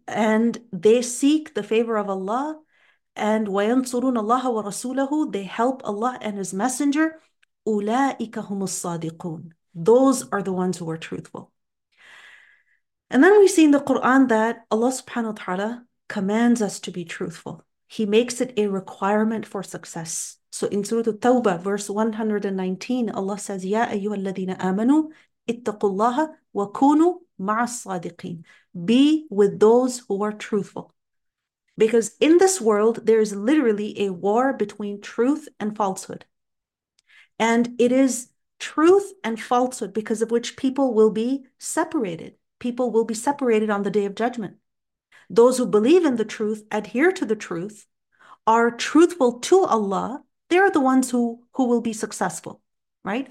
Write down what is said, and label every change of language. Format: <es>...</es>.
<en>And they seek the favor of Allah, and</en> <ar>وَيَنْصُرُونَ اللَّهَ وَرَسُولَهُ,</ar> <en>they help Allah and His Messenger.</en> <ar>أُولَٰئِكَ هُمُ الصَّادِقُونَ.</ar> <en>Those are the ones who are truthful. And then we see in the Quran that Allah subhanahu wa ta'ala commands us to be truthful. He makes it a requirement for success. So in Surah At-Tawbah, verse 119, Allah says,</en> <ar>يَا أَيُّهَا الَّذِينَ آمَنُوا اتَّقُوا اللَّهَ وَكُونُوا مَعَ الصَّادِقِينَ.</ar> <en>Be with those who are truthful. Because in this world, there is literally a war between truth and falsehood. And it is truth and falsehood because of which people will be separated. People will be separated on the Day of Judgment. Those who believe in the truth, adhere to the truth, are truthful to Allah, they are the ones who will be successful, right?</en>